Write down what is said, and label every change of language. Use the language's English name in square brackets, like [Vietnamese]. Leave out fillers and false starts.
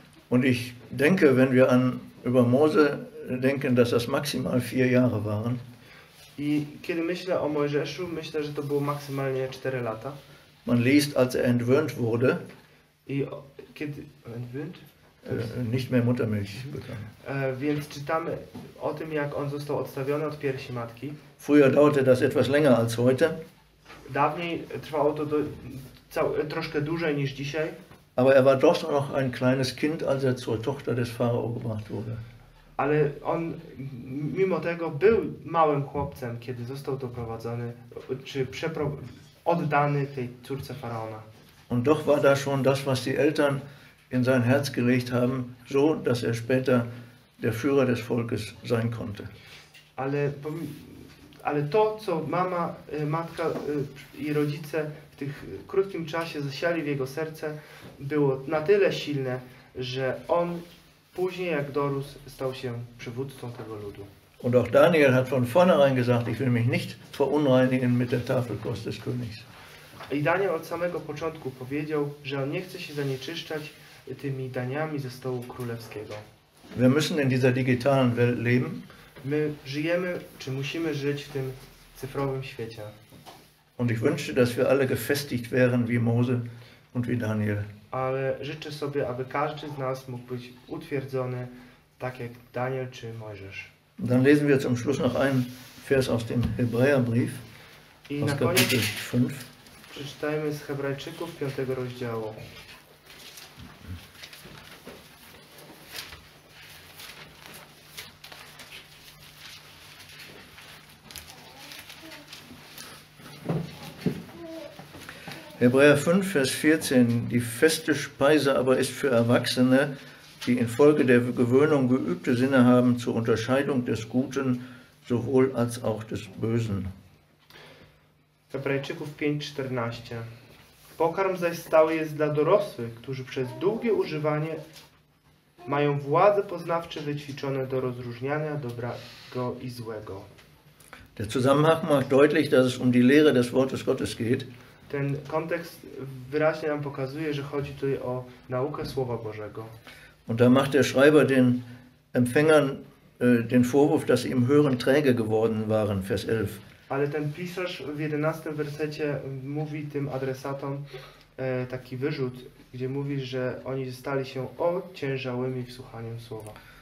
[German] Und ich denke, wenn wir an über Mose denken, dass das maximal 4 Jahre waren. [Polish] I kiedy myślę o Mojżeszu, myślę, że to było maksymalnie 4 lata. [German] Man liest, als er entwöhnt wurde. [Polish] I kiedy entwöhnt? [German] Nicht mehr Muttermilch bekam. [Polish] Więc czytamy o tym, jak on został odstawiony od piersi matki. [German] Früher dauerte das etwas länger als heute. [Polish] Dawniej trwało to troszkę dłużej niż dzisiaj. [German] Aber er war doch noch ein kleines Kind, als er zur Tochter des Pharao gebracht wurde. [Polish] Ale on mimo tego był małym chłopcem, kiedy został doprowadzony, czy oddany tej córce Faraona. [German] Und doch war da schon das, was die Eltern in sein Herz gelegt haben, so dass er später der Führer des Volkes sein konnte. [Polish] Ale to, co mama, matka i rodzice w tych krótkim czasie zasiali w jego serce, było na tyle silne, że on później, jak dorósł, stał się przywódcą tego ludu. [German] Und auch Daniel hat von vornherein gesagt, ich will mich nicht verunreinigen mit der Tafelkost des Königs. [Polish] I Daniel od samego początku powiedział, że on nie chce się zanieczyszczać tymi daniami ze stołu królewskiego. [German] Wir müssen in dieser digitalen Welt leben. [Polish] My żyjemy, czy musimy żyć w tym cyfrowym świecie. [German] Und ich wünsche, dass wir alle gefestigt wären wie Mose und wie Daniel. [Polish] Ale życzę sobie, aby każdy z nas mógł być utwierdzony tak jak Daniel czy Mojżesz. [German] Dann lesen wir zum Schluss noch einen Vers aus dem Hebräerbrief, [Polish] I [German] aus Kapitel 5. [Polish] Przeczytajmy z Hebrajczyków 5 rozdziału. [German] Hebräer 5, Vers 14. Die feste Speise aber ist für Erwachsene, die infolge der Gewöhnung geübte Sinne haben zur Unterscheidung des Guten sowohl als auch des Bösen. [Polish] Hebrajczyków 5:14. Pokarm zaś stały jest dla dorosłych, którzy przez długie używanie mają władze poznawcze wyćwiczone do rozróżniania dobrego i złego. [German] Der Zusammenhang macht deutlich, dass es um die Lehre des Wortes Gottes geht. [Polish] Ten kontekst wyraźnie nam pokazuje, że chodzi tutaj o naukę Słowa Bożego. [German] Und da macht der Schreiber den Empfängern den Vorwurf, dass sie im Hören träge geworden waren, Vers 11. [Polish] Ale ten pisarz w 11 wersecie mówi tym adresatom taki wyrzut, gdzie mówi, że oni stali się ociężałymi w słuchaniu Słowa.